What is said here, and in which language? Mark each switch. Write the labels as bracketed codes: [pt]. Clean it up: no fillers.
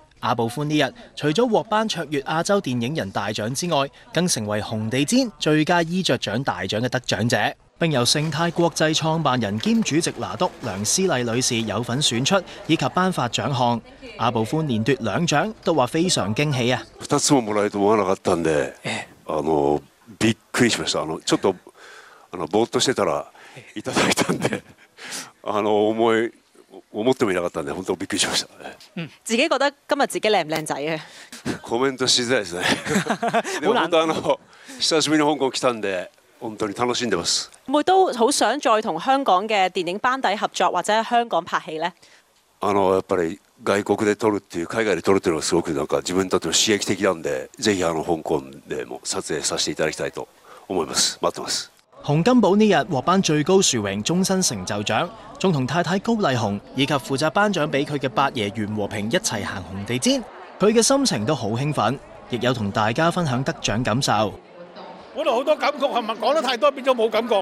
[yue] 阿部宽呢日除了获颁卓越亚洲电影人大奖之外，更成为红地毯最佳衣着奖大奖的得奖者，并由盛泰国际创办人兼主席拿督梁思丽女士有份选出以及颁发奖项。阿部宽连夺两奖都说非常惊喜啊！ [ja] 二つももらえると思わなかったんで、びっくりしました。ちょっとぼーっとしてたらいただいたんで思ってもいなかったんで本当びっくりしました。 [yue] 自己觉得今日自己靓不靓仔啊？ [ja] コメントしづらいですね。でも本当久しぶりに香港来たんで本当に楽しんでます。 [yue] 会都好想再同香港的电影班底合作或者香港拍戏呢？ [ja] やっぱり外国で撮るっていう海外で撮るっていうのはすごくなんか自分にとっても刺激的なんで、ぜひ香港でも撮影させていただきたいと思います。待ってます。 [yue] 洪金宝呢日获颁最高殊荣终身成就奖，仲同太太高丽红以及负责颁奖俾佢嘅八爷袁和平一齐行红地毯，佢嘅心情都好兴奋，亦有同大家分享得奖感受。本来好多感觉，系咪讲得太多变咗冇感觉？